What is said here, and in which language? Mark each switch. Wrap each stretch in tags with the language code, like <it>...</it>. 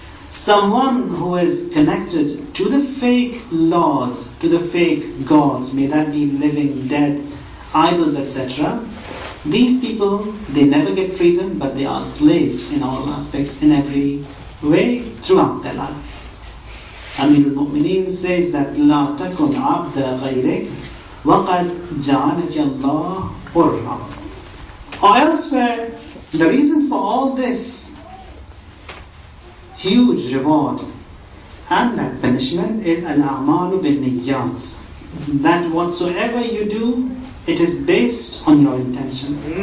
<en>Someone who is connected to the fake lords, to the fake gods, may that be living, dead, idols, etc. These people, they never get freedom, but they are slaves in all aspects, in every way, throughout their life.</en> <ar>Amir al-Mu'mineen</ar> <en>says that,</en> <ar>لَا تَكُنْ عَبْدَ غَيْرِكَ وَقَدْ جَعَلَكَ اللَّهُ حُرًّا.</ar> <en>Or elsewhere, the reason for all this huge reward and that punishment is</en> <ar>al-a'malu bil-niyyat,</ar> <en>that whatsoever you do, it is based on your intention.</en>